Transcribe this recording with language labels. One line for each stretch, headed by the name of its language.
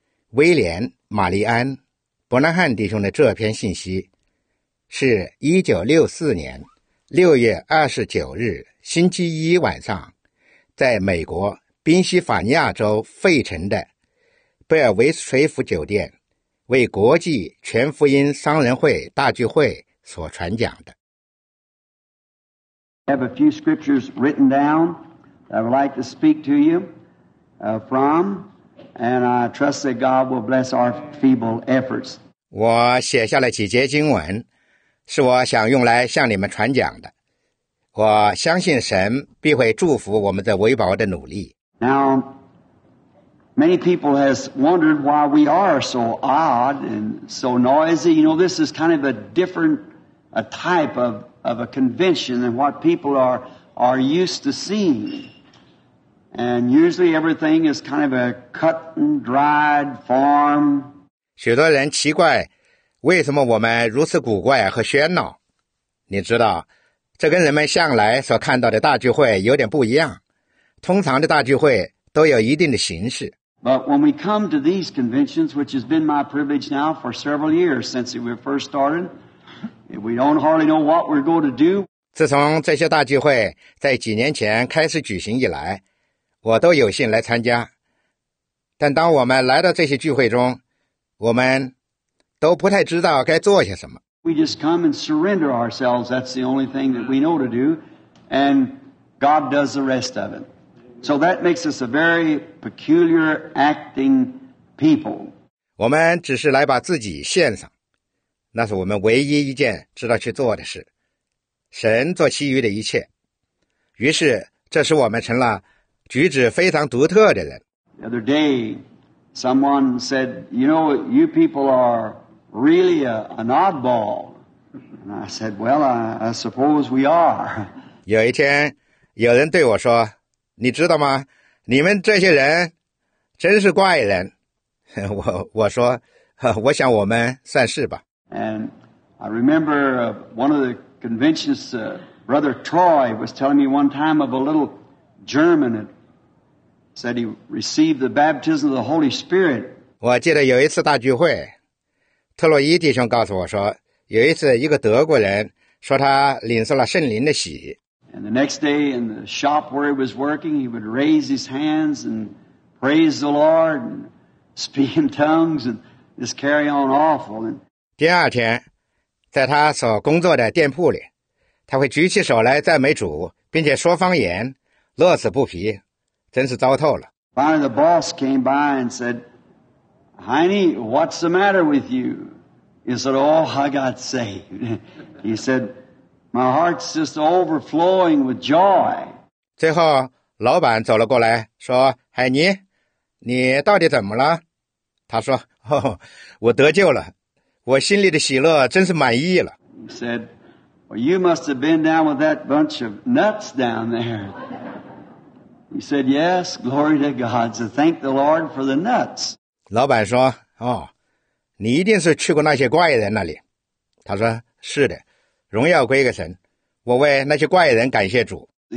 Chinese: 威廉·玛丽安·伯南汉弟兄的这篇信息是1964年6月29日星期一晚上在美国宾夕法尼亚州费城的贝尔维垂福酒店为国际全福音商人会大聚会所传讲的。
English: I have a few scriptures written down that I would like to speak to you from, and I trust that God will bless our feeble efforts.
Chinese: 我写下了几节经文，是我想用来向你们传讲的。我相信神必会祝福我们的微薄的努力。
English: Now, many people has wondered why we are so odd and so noisy. You know, this is kind of a different a type of a convention than what people are used to seeing. And usually everything is kind of a cut and dried form.
Chinese: 许多人奇怪为什么我们如此古怪和喧闹。你知道这跟人们向来所看到的大聚会有点不一样。通常的大聚会都有一定的形式。
English: But when we come to these conventions, which has been my privilege now for several years since we first started, we don't hardly know what we're going to do.
Chinese: 自从这些大聚会在几年前开始举行以来，我都有幸来参加。但当我们来到这些聚会中，我们都不太知道该做些什么。
English: We just come and surrender ourselves. That's the only thing that we know to do. And God does the rest of it. So that makes us a very peculiar acting people.
Chinese: 我们只是来把自己献上，那是我们唯一一件知道去做的事。神做其余的一切。于是，这使我们成了举止非常独特的人。
English: The other day, someone said, you know, you people are... really an oddball. And I said, well, I suppose we are.
Chinese: 有一天有人对我说，你知道吗，你们这些人真是怪人。我说，我想我们算是吧。
English: And I remember one of the conventions, Brother Troy was telling me one time of a little German that said he received the baptism of the Holy Spirit.
Chinese: 我记得有一次大聚会，特洛伊弟兄告诉我说，有一次一个德国人说他领受了圣灵的洗。
English: And the next day in the shop where he was working, he would raise his hands and praise the Lord and speak in tongues and just carry on awful.
Chinese: 第二天，在他所工作的店铺里，他会举起手来赞美主，并且说方言，乐此不疲，真是糟透了。
English: Finally, the boss came by and said,Heine, what's the matter with you? He said, oh, I got saved. He said, my heart's just overflowing with joy.
Chinese: 最后老板走了过来说，海尼，你到底怎么了？他说，哦，我得救了，我心里的喜乐真是满意了。
English: He said, well, you must have been down with that bunch of nuts down there. He said, yes, glory to God. So thank the Lord for the nuts.
Chinese: 老板说，哦，你一定是去过那些怪人那里。他说，是的，荣耀归给神，我为那些怪人感谢主。